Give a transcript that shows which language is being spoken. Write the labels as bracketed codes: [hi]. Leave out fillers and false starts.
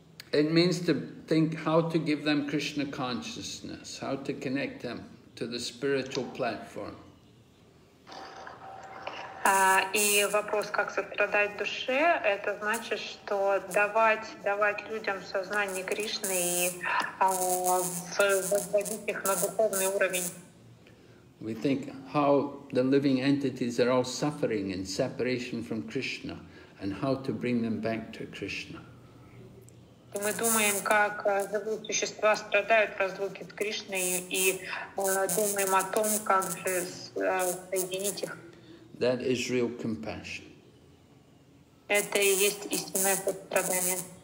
[en] It means to think how to give them Krishna consciousness, how to connect them to the spiritual platform. [ru] И вопрос, как сострадать душе, это значит, что давать людям сознание Кришны и возводить их на духовный уровень. [en] We think how the living entities are all suffering in separation from Krishna, and how to bring them back to Krishna. [ru] И мы думаем, как живые существа страдают в разлуке с Кришной, и думаем о том, как же соединить их. [en] That is real compassion. [ru] Это и есть истинное сострадание.